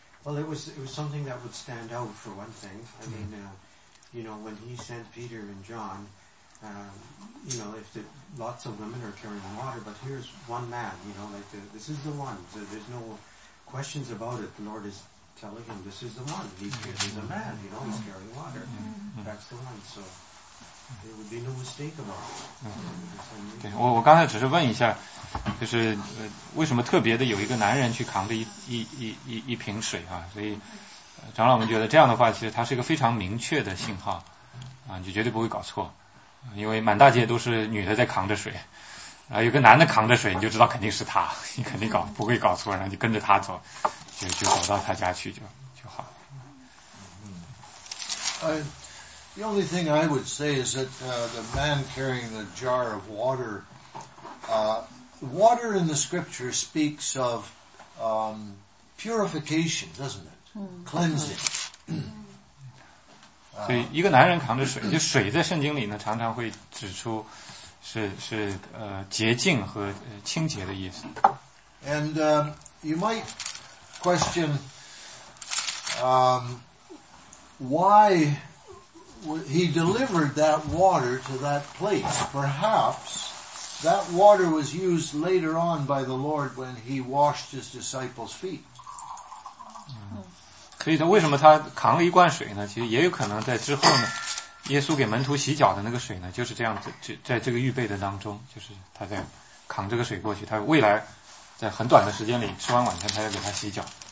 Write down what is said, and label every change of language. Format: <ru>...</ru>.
<en>Well, it was something that would stand out, for one thing. I mean, you know, when he sent Peter and John, you know, if the, lots of women are carrying water, but here's one man, you know, like, this is the one. So there's no questions about it. The Lord is telling him, this is the one. He's a man, you know, he's carrying water. Mm-hmm. That's the one, so there would be no mistake about it.</en> <zh>Okay, 我刚才只是问一下，就是为什么特别的有一个男人去扛着一瓶水啊，所以长老们觉得这样的话其实它是一个非常明确的信号啊，你就绝对不会搞错，因为满大街都是女的在扛着水，然后有个男的扛着水，你就知道肯定是他，你肯定不会搞错，然后就跟着他走，就走到他家去就好。</zh> <en>The only thing I would say is that the man carrying the jar of water, water in the scripture speaks of purification, doesn't it? Cleansing.</en> <zh>所以一个男人扛着水，就水在圣经里呢，常常会指出是洁净和清洁的意思。</zh> <en>And you might question why he delivered that water to that place. Perhaps that water was used later on by the Lord when he washed his disciples' feet.</en> <zh>所以他为什么他扛了一罐水呢？其实也有可能在之后呢，耶稣给门徒洗脚的那个水呢，就是这样在这个预备的当中，就是他在扛这个水过去，他未来在很短的时间里吃完晚餐，他要给他洗脚。</zh>